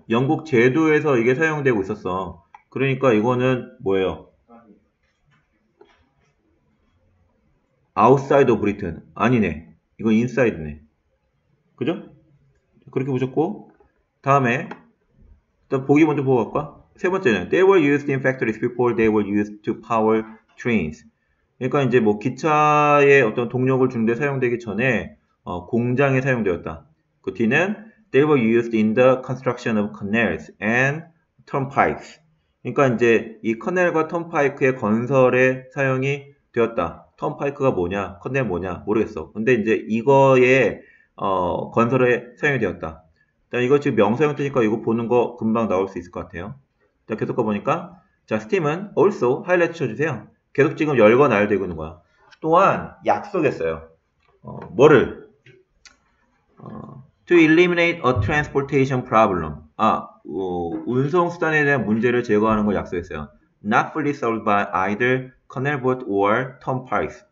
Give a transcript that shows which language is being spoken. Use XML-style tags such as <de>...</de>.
<ko>영국 제도에서 이게 사용되고 있었어. 그러니까 이거는 뭐예요?</ko> <en>outside of Britain.</en> <ko>아니네. 이건 inside네. 그죠? 그렇게 보셨고. 다음에, 일단 보기 먼저 보고 갈까? 세 번째는,</ko> <en>they were used in factories before they were used to power trains.</en> <ko>그러니까 이제 뭐 기차의 어떤 동력을 주는데 사용되기 전에, 공장에 사용되었다. 그 뒤는,</ko> <en>they were used in the construction of canals and turnpikes.</en> <ko>그러니까 이제 이 커널과 턴파이크의 건설에 사용이 되었다. 턴파이크가 뭐냐, 컨넬 뭐냐, 모르겠어. 근데 이제 이거에, 건설에 사용이 되었다. 일단 이거 지금 명사형 뜨니까 이거 보는 거 금방 나올 수 있을 것 같아요. 자, 계속 가보니까. 자, 스팀은 also 하이라이트 쳐주세요. 계속 지금 열과 날 되고 있는 거야. 또한 약속했어요. 뭐를?</ko> <en>To eliminate a transportation problem.</en> <ko>아, 운송수단에 대한 문제를 제거하는 걸 약속했어요.</ko> <en>Not fully solved by either Canal Boat or Turnpikes.</en>